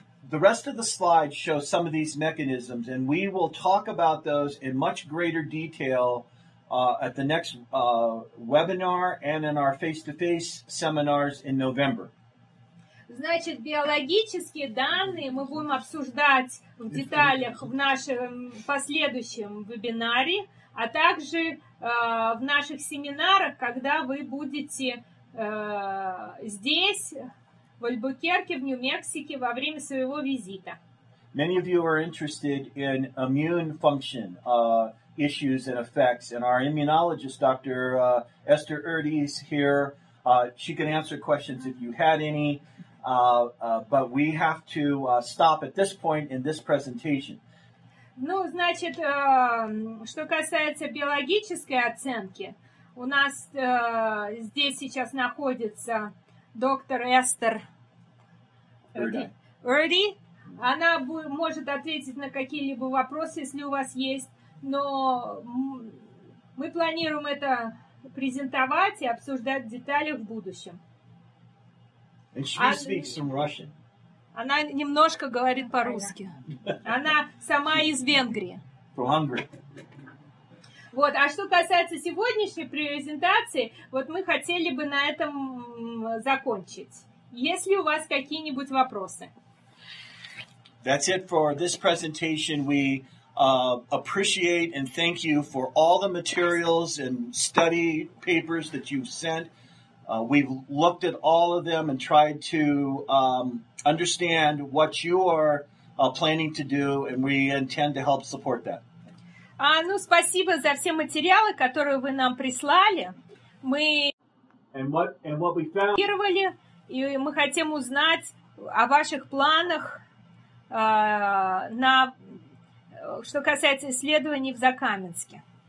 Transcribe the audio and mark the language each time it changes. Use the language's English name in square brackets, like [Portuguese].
[English] The rest of the slides show some of these mechanisms, and we will talk about those in much greater detail at the next webinar and in our face-to-face seminars in November. [Russian] Значит, биологические данные мы будем обсуждать в деталях в нашем последующем вебинаре, а также в наших семинарах, когда вы будете здесь, в Альбукерке, в Нью-Мексике, во время своего визита. [English] Many of you are interested in immune function issues and effects, and our immunologist, Dr. Esther Erdi, is here. She can answer questions if you had any, but we have to stop at this point in this presentation. [Russian] Ну, значит, что касается биологической оценки, у нас здесь сейчас находится доктор Эстер Erdi. Она может ответить на какие-либо вопросы, если у вас есть, но мы планируем это презентовать и обсуждать в деталях в будущем. [English] And she speaks some Russian. [Russian] Она немножко говорит по-русски. Она сама из Венгрии. [English] From Hungary. [Russian] Вот. А что касается сегодняшней презентации, вот мы хотели бы на этом закончить. Есть ли у вас какие-нибудь вопросы? [English] That's it for this presentation. We appreciate and thank you for all the materials and study papers that you've sent. We've looked at all of them and tried to understand what you are planning to do, and we intend to help support that. [Russian] Ну, спасибо за все материалы, которые вы нам прислали. Мы [English] And what we found. [Russian] И мы хотим узнать о ваших планах, на что касается исследований в Закаменске.